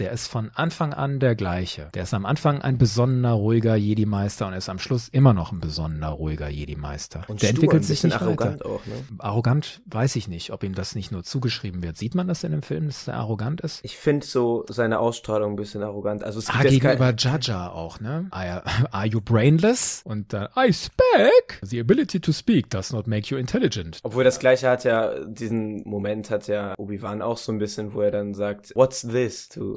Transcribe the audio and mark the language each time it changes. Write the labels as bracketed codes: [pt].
[de] Der ist von Anfang an der gleiche. Der ist am Anfang ein besonderer, ruhiger Jedi-Meister und er ist am Schluss immer noch ein besonderer, ruhiger Jedi-Meister. Und der stur, entwickelt sich ein bisschen nicht arrogant weiter. Auch, ne? Arrogant weiß ich nicht, ob ihm das nicht nur zugeschrieben wird. Sieht man das in dem Film, dass er arrogant ist? Ich finde so seine Ausstrahlung ein bisschen arrogant. Also es gegenüber Jar Jar auch, ne? [en] Are you brainless? [de] Und dann, [en] I speak! The ability to speak does not make you intelligent. [de] Obwohl das Gleiche hat ja, diesen Moment hat ja Obi-Wan auch so ein bisschen, wo er dann sagt, [en] what's this?